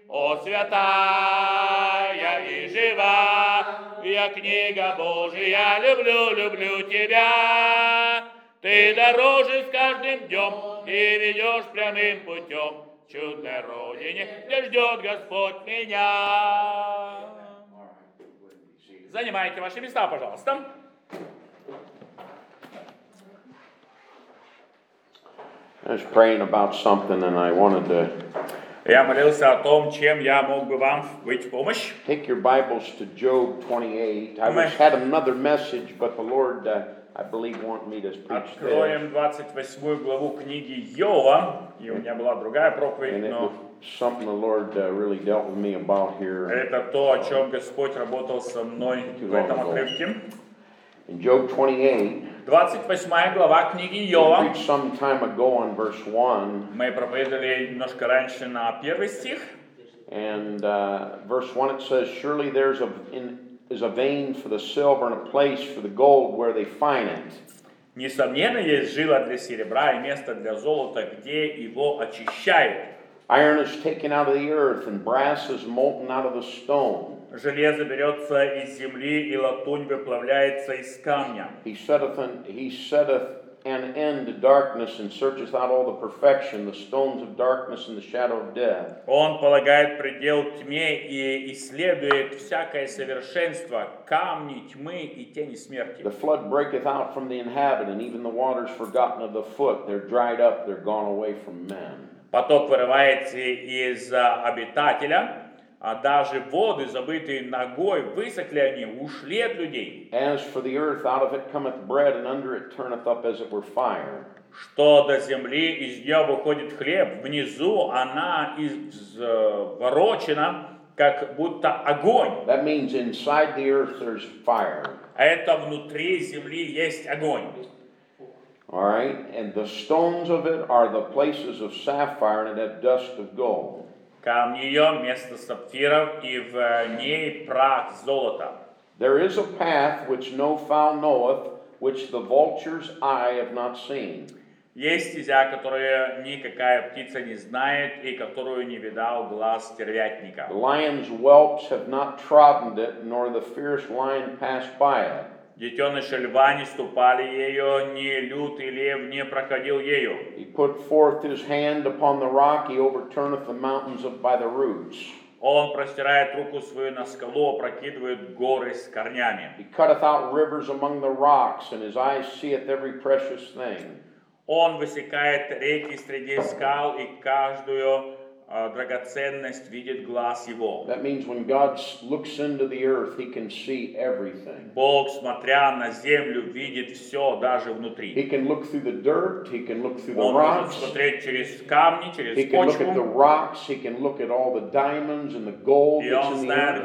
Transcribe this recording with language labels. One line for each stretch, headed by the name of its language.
Russian: О, святая и жива, я книга Божия, люблю, люблю тебя. Ты дороже с каждым днем и ведешь прямым путем чудной родине, где ждет Господь меня. Занимайте ваши места, пожалуйста.
English: I was praying about something and I wanted to
Russian: Я молился о том, чем я мог бы вам быть в помощь.
English: Take your Bibles to Job 28. I had another message, but the Lord I believe wanted me to preach this.
Russian: Откроем 28 главу книги Йова, и у меня была другая проповедь, но
English: something the Lord really dealt with me about here.
Russian: Это то, о чём Господь работал со мной в этом отрывке.
English: In Job 28,
Russian: 28 глава книги Йова,
English: we preached some time ago on verse 1,
Russian: мы проповедовали немножко раньше на первый стих.
English: And verse 1 it says, surely there's a is a vein for the silver and a place for the gold where they find it.
Russian: Несомненно, есть жила для серебра и место для золота, где его очищают.
English: Iron is taken out of the earth and brass is molten out of the stone.
Russian: Железо берется из земли, и латунь выплавляется из камня.
English: He setteth an end to darkness and searcheth out all the perfection, the stones of darkness and the shadow of death.
Russian: Он полагает предел тьме и исследует всякое совершенство, камни, тьмы и тени смерти.
English: The flood breaketh out from the inhabitant, even the waters forgotten of the foot, they're dried up, they're gone away from men.
Russian: Поток вырывается из обитателя. А даже воды, забытые ногой, высохли они, ушли от людей.
English: As for the earth, out of it cometh bread, and under it turneth up as it were fire.
Russian: Что до земли, из нее выходит хлеб, внизу она изворочена, как будто огонь.
English: That means inside the earth there's fire.
Russian: Это внутри земли есть огонь.
English: All right, and the stones of it are the places of sapphire, and it have dust of gold.
Russian: Камни ее, место сапфиров, и в ней прах золота.
English: There is a path which no fowl knoweth, which the vulture's eye have not seen.
Russian: Есть стезя, которую никакая птица не знает, и которую не видал глаз стервятника.
English: The lion's whelps have not trodden it, nor the fierce lion passed by it.
Russian: Детеныши льва не ступали ею, ни лютый лев не проходил ею.
English: He put forth his hand upon the rock, he overturneth the mountains by the roots.
Russian: Он простирает руку свою на скалу, опрокидывает горы с корнями.
English: He cutteth out rivers among the rocks, and his eyes seeth every precious thing.
Russian: Он высекает реки среди скал, и каждую драгоценность видит глаз его.
English: That means when God looks into the earth, he can see everything.
Russian: Бог, смотря на землю, видит все, даже внутри.
English: He can look through the dirt, he can look through the rocks.
Russian: Он может смотреть через камни, через почву.
English: He can look at the rocks, he can look at all the diamonds and the gold that's in the earth.